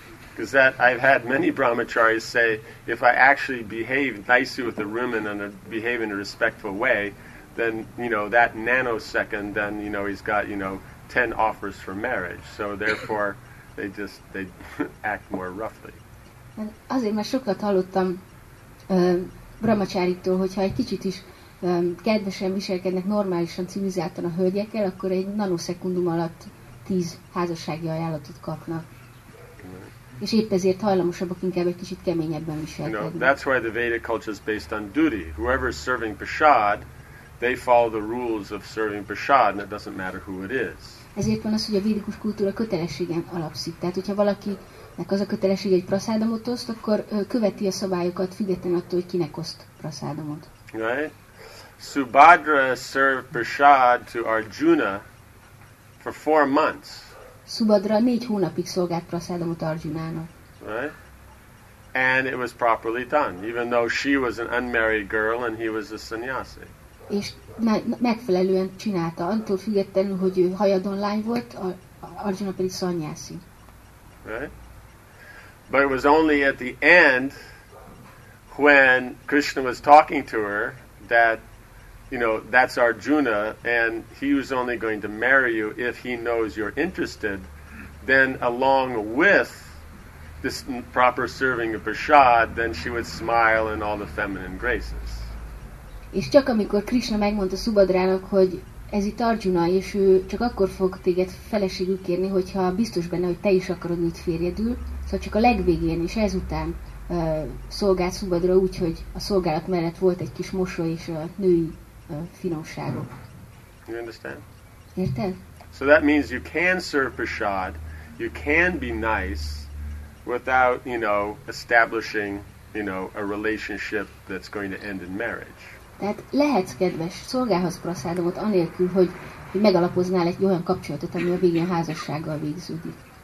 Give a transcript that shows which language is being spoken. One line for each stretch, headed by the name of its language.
English: Because that I've had many brahmacharis say, if I actually behave nicely with the woman and behave in a respectful way, then you know that nanosecond, then you know he's got 10 offers for marriage. So therefore, they act more roughly.
Hungarian: Azért már sokat hallottam brahmacharitól, hogyha egy kicsit is kedvesen viselkednek normálisan, civilizáltan a hölgyekkel, akkor egy nanoszekundum alatt 10 házassági ajánlatot kapnak.
English: Right.
Hungarian: És épp ezért hajlamosabbak inkább egy kicsit keményebben viselkedni.
English: That's why the Vedic culture is based on duty. Whoever is serving prasad, they follow the rules of serving prasad, and it doesn't matter who it is.
Hungarian: Ezért van az, hogy a védikus kultúra kötelességen alapszik. Tehát, hogyha valakinek az a kötelessége, hogy prasadamot oszt, akkor követi a szabályokat, független attól, hogy kinek oszt prasadamot.
English: Right? Subhadra served prasad to Arjuna for 4 months.
Hungarian: Subhadra 4 hónapig szolgált prasadamot Arjunának.
English: Right? And it was properly done, even though she was an unmarried girl and he was a sannyasi.
Hungarian: És megfelelően csinálta, attól függetlenül, hogy ő hajadon lány volt, Arjuna pedig sannyasi.
English: Right? But it was only at the end, when Krishna was talking to her, that that's Arjuna, and he was only going to marry you if he knows you're interested. Then, along with this proper serving of prasad, then she would smile in all the feminine graces.
Hungarian: És csak amikor Krishna megmondta Subhadrának, hogy ez itt Arjuna, és ő csak akkor fog téged feleségül kérni, hogyha biztos benne, hogy te is akarod őt férjedül, szóval csak a legvégén, és ezután szolgált Subhadra úgy, hogy a szolgálat mellett volt egy kis mosoly és a női finomságok.
English: You understand?
Hungarian: Érted?
English: So that means you can serve prasad, you can be nice without, establishing, a relationship that's going to end in marriage.
Hungarian: Tehát lehetsz kedves, szolgálhatsz prasadamot anélkül, hogy megalapoznál egy olyan kapcsolatot, ami a végén házassággal végződik.